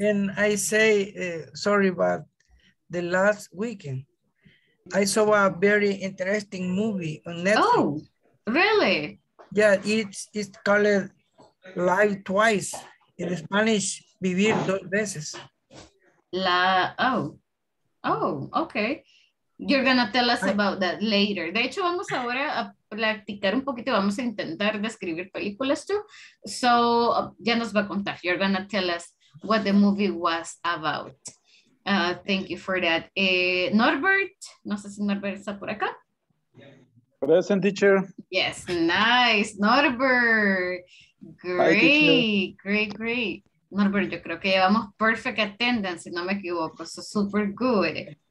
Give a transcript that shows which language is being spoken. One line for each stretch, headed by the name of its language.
English: And I say, sorry, but the last weekend, I saw a very interesting movie on Netflix. Oh, really? Yeah, it's called Live Twice. In Spanish, Vivir Dos Veces. Oh, okay. You're going to tell us about that later.
Spanish: De hecho, vamos ahora a practicar un poquito. Vamos a intentar describir películas too. So, ya nos va a contar.
English: You're going to tell us what the movie was about. Thank you for that.
Spanish: Norbert, no sé si Norbert está por acá.
English: Present, teacher. Yes, nice. Norbert. Great.
Spanish: Norbert, yo creo que llevamos
English: perfect attendance,
Spanish: si no me equivoco,
English: so super good.